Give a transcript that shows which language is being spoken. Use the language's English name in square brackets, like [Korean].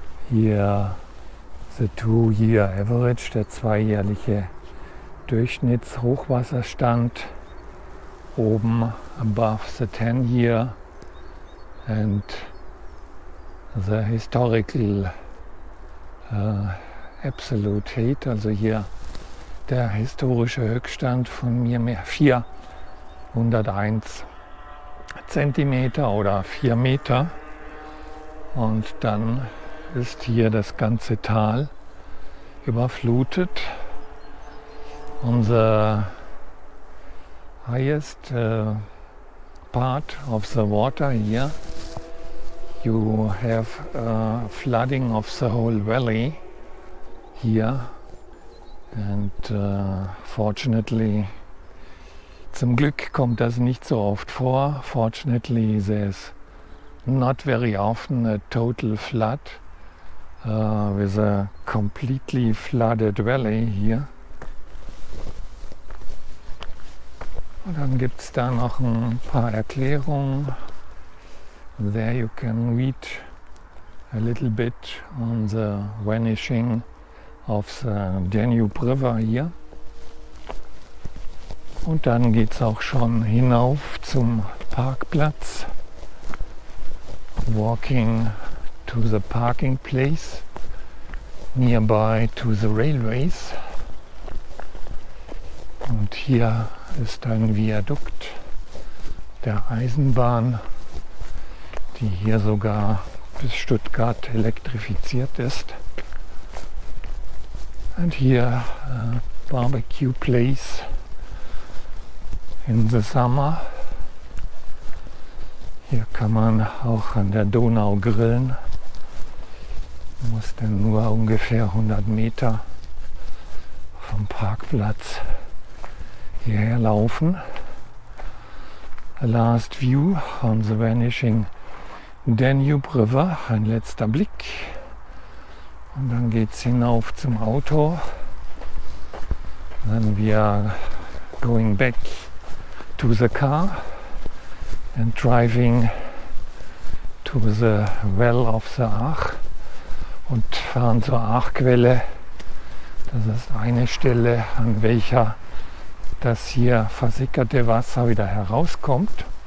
[English] Here the 2-year average, [German] der zweijährliche Durchschnittshochwasserstand, oben [English] above the 10-year and the historical absolute height, [German] also hier der historische Höchststand von mir mehr 401 Zentimeter oder 4 Meter. Und dann ist hier das ganze Tal überflutet. [English] Unser highest part of the water here, you have a flooding of the whole valley here. And fortunately, [German] zum Glück kommt das nicht so oft vor. [English] Fortunately, there's not very often a total flood with a completely flooded valley here. [German] Und dann gibt es da noch ein paar Erklärungen. [English] There you can read a little bit on the vanishing of the Danube River here. [German] Und dann geht es auch schon hinauf zum Parkplatz. [English] Walking to the parking place nearby to the railways. [German] Und hier ist ein Viadukt der Eisenbahn, die hier sogar bis Stuttgart elektrifiziert ist. Und hier [English] a barbecue place in the summer. [German] Hier kann man auch an der Donau grillen. Muss dann nur ungefähr 100 Meter vom Parkplatz hierher laufen. [English] A last view on the vanishing Danube River. [German] Ein letzter Blick. Und dann geht's hinauf zum Auto. [English] Then we are going back to the car and driving to the well of the Ach [German] und fahren zur Achquelle. Das ist eine Stelle, an welcher das hier versickerte Wasser wieder herauskommt.